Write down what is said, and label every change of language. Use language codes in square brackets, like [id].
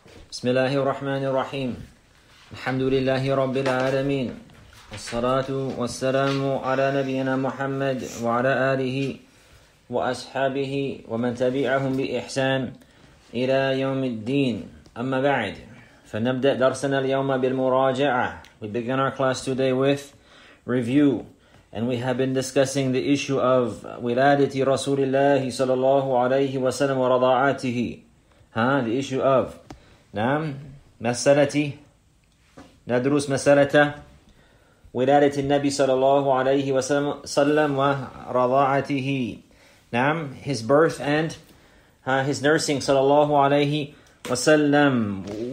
[ar] بسم الله الرحمن الرحيم الحمد لله رب العالمين والصلاة والسلام على نبينا محمد وعلى آله وأصحابه ومن تبعهم بإحسان إلى يوم الدين أما بعد فنبدأ درسنا اليوم بالمراجعة. [en] We begin our class today with review, and we have been discussing the issue of [ar] ولادة رسول الله صلى الله عليه وسلم ورضاعته. [en] The issue of [ar] نعم مسألة ندرس مسألة ولادة النبي صلى الله عليه وسلم ورضاعته نعم [en] his birth and his nursing [ar] صلى الله عليه وسلم.